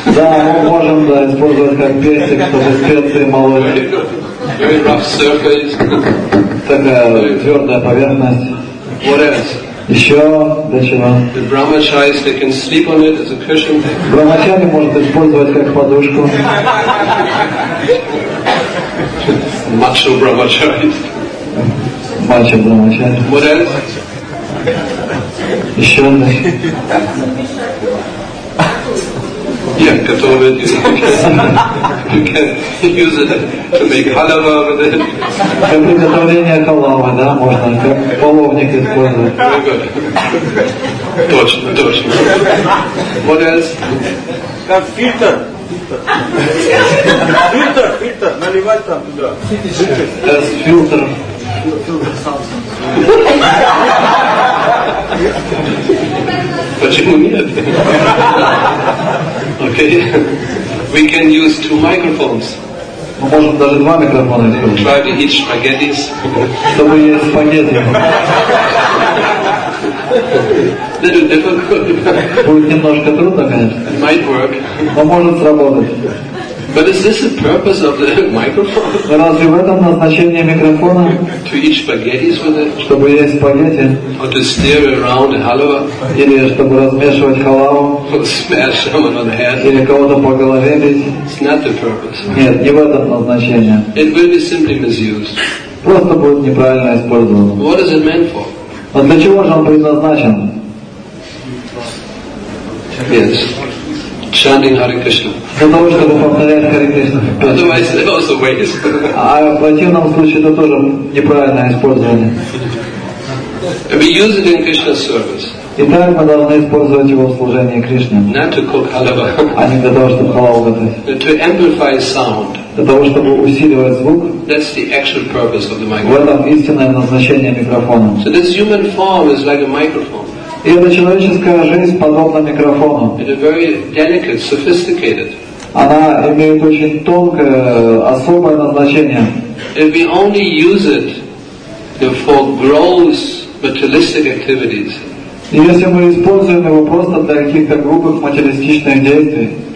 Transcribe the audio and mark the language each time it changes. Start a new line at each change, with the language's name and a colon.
Russian: Да, мы можем использовать как пестик, чтобы специи молоть.
English: Very rough surface.
Russian: Такая твердая поверхность.
English: What else?
Russian: Еще для чего?
English: The brahmacharis, they can sleep on it as a cushion.
Russian: Брахмачари может использовать как подушку.
English: Macho brahmacharis. Macho brahmacharis. What else?
Russian: Еще одна. Я готов это использовать.
English: You can use it to make halava with it.
Russian: Для приготовления халавы, да, можно как половник использовать.
English: Very good.
Russian: Точно, точно.
English: What else?
Russian: Как фильтр. Фильтр, фильтр, наливать там туда.
English: As filter.
Russian: Почему нет?
English: Okay. We can use two microphones.
Russian: Мы можем даже два микрофона использовать.
English: Try to eat spaghetti.
Russian: Чтобы есть спагетти.
English: Little difficult.
Russian: Будет немножко трудно, конечно.
English: It might work.
Russian: Но может сработать.
English: But is this the purpose of the microphone?
Russian: Разве в этом назначение микрофона?
English: To eat spaghetti with it?
Russian: Чтобы есть спагетти?
English: Or to stir around halwa?
Russian: Или чтобы размешивать халаву?
English: Or smash someone on the head?
Russian: Или кого-то по голове бить?
English: It's not the purpose.
Russian: Нет, не в этом назначение.
English: It will be simply misused.
Russian: Просто будет неправильно использовано.
English: What is it meant for?
Russian: А для чего же он предназначен?
English: Yes. Chanting Hare Krishna.
Russian: Для того, чтобы повторять Харе Кришну.
English: Otherwise, it also wastes.
Russian: А в противном случае это тоже неправильное использование.
English: We use it in Krishna's service.
Russian: Итак, мы должны использовать его в служении Кришне.
English: Not to cook halava.
Russian: А не для того, чтобы халаву готовить.
English: To amplify sound.
Russian: Для того, чтобы усиливать звук.
English: That's the actual purpose of the microphone.
Russian: В этом истинное назначение микрофона.
English: So this human form is like a microphone.
Russian: И эта человеческая жизнь подобна микрофону.
English: It is very delicate, sophisticated.
Russian: Она имеет очень тонкое, особое назначение.
English: If we only use it for gross materialistic activities.
Russian: Если мы используем его просто для каких-то грубых материалистичных действий.